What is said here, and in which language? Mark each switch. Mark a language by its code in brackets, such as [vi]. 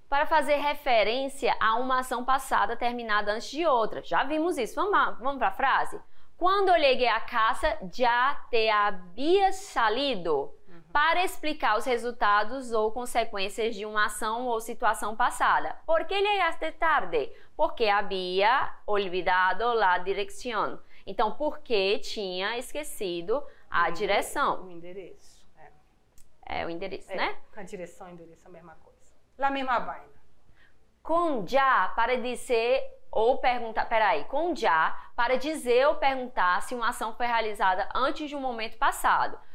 [pt] para fazer referência a uma ação passada terminada antes de outra. Já vimos isso. Vamos para a frase? Quando cheguei a casa, já te havia salido. Uhum. Para explicar os resultados ou consequências de uma ação ou situação passada. Por que chegaste tarde? [es] Porque havia olvidado la dirección. [pt] Então, porque tinha esquecido a direção. O endereço. O endereço, né? A direção e o endereço, a mesma coisa. [es] La mesma vaina. [pt] Com já, para dizer ou perguntar, peraí, com já, para dizer ou perguntar se uma ação foi realizada antes de um momento passado.